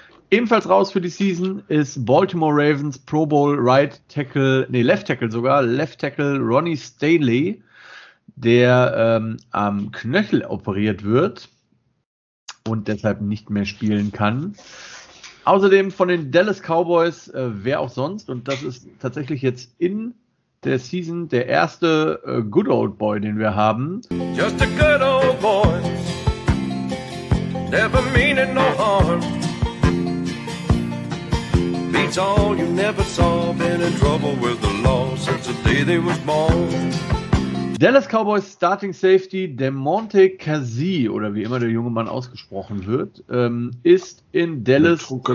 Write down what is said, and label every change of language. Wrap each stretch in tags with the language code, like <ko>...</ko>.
<de>Ebenfalls raus für die Season ist Baltimore Ravens Pro Bowl Left Tackle Ronnie Stanley, der am Knöchel operiert wird und deshalb nicht mehr spielen kann. Außerdem von den Dallas Cowboys, wer auch sonst, und das ist tatsächlich jetzt in der Season der erste Good Old Boy, den wir haben.</de> <en>Just a good old boy, never meaning no harm. Beats all you never saw, been in trouble with the law since the day they was born.</en> <de>Dallas Cowboys Starting Safety DeMonte Kazee, oder wie immer der junge Mann ausgesprochen wird, ist in Dallas.</de>